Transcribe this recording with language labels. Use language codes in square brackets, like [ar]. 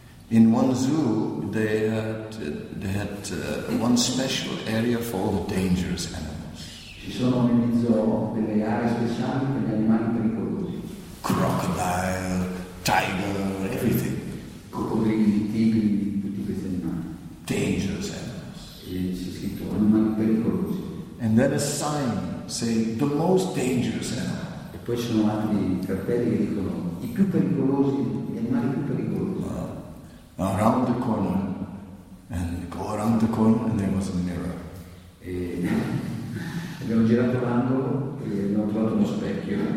[en] In one zoo, they had one special area for all the dangerous animals. [it] Ci sono nel zoo delle aree speciali per gli animali pericolosi. [en] Crocodile, tiger, everything. [it] Coccodrilli, tigri, tutti questi animali. [en] Dangerous animals. [it] E c'è scritto animali pericolosi. [en] And then a sign saying the most dangerous animal. [it] E poi ci sono altri cartelli che dicono i più pericolosi, gli animali più pericolosi. [en] Around the corner. And go around the corner and there was a mirror. [it] E abbiamo girato l'angolo e abbiamo trovato uno specchio.